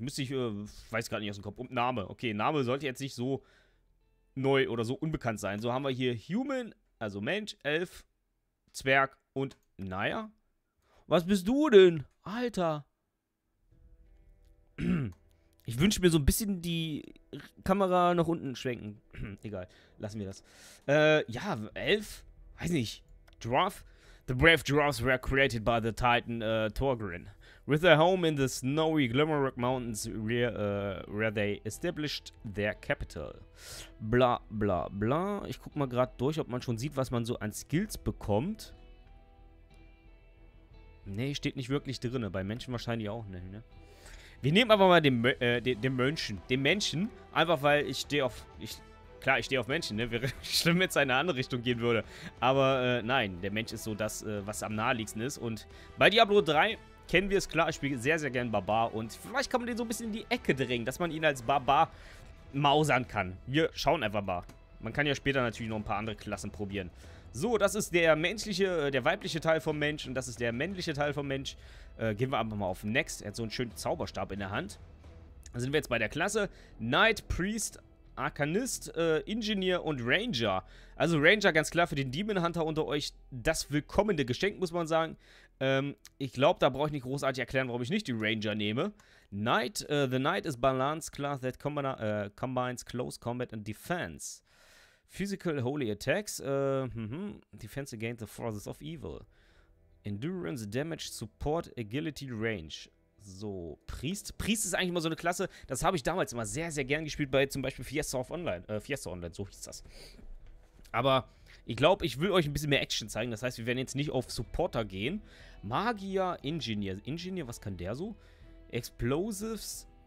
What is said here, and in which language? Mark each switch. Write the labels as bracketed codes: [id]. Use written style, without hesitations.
[de] Müsste ich, weiß gerade nicht aus dem Kopf. Und Name. Okay, Name sollte jetzt nicht so neu oder so unbekannt sein. So haben wir hier Human, also Mensch, Elf, Zwerg und naja. Was bist du denn? Alter. Ich wünsche mir so ein bisschen die Kamera nach unten schwenken. Egal. Lassen wir das. Ja, Elf? Weiß nicht. Dwarf? [en] The brave dwarfs were created by the Titan Thorgrim. With their home in the snowy Glimmerrock Mountains, where they established their capital. Bla, bla, bla. [de] Ich guck mal gerade durch, ob man schon sieht, was man so an Skills bekommt. Nee, steht nicht wirklich drin. Bei Menschen wahrscheinlich auch nicht, ne? Wir nehmen aber mal den Menschen. Einfach, weil ich stehe auf... ich stehe auf Menschen, ne? Wäre schlimm, wenn es in eine andere Richtung gehen würde. Aber nein, der Mensch ist so das, was am naheliegsten ist. Und bei Diablo 3... kennen wir es, klar, ich spiele sehr, sehr gerne Barbar und vielleicht kann man den so ein bisschen in die Ecke drängen, dass man ihn als Barbar mausern kann. Wir schauen einfach mal. Man kann ja später natürlich noch ein paar andere Klassen probieren. So, das ist der menschliche, der weibliche Teil vom Mensch und das ist der männliche Teil vom Mensch. Gehen wir einfach mal auf Next. Er hat so einen schönen Zauberstab in der Hand. Dann sind wir jetzt bei der Klasse. Knight, Priest, Arcanist, Engineer und Ranger. Also Ranger, ganz klar, für den Demon Hunter unter euch das willkommene Geschenk, muss man sagen. Ich glaube, da brauche ich nicht großartig erklären, warum ich nicht die Ranger nehme. [en] Knight, the Knight is balanced class that combines close combat and defense. Physical holy attacks, defense against the forces of evil. Endurance, damage, support, agility, range. [de] So, Priest. Priest ist eigentlich immer so eine Klasse. Das habe ich damals immer sehr, sehr gern gespielt bei zum Beispiel Fiesta of Online. Fiesta Online, so hieß das. Aber ich glaube, ich will euch ein bisschen mehr Action zeigen. Das heißt, wir werden jetzt nicht auf Supporter gehen. Magier, Ingenieur. Ingenieur, was kann der so? Explosives.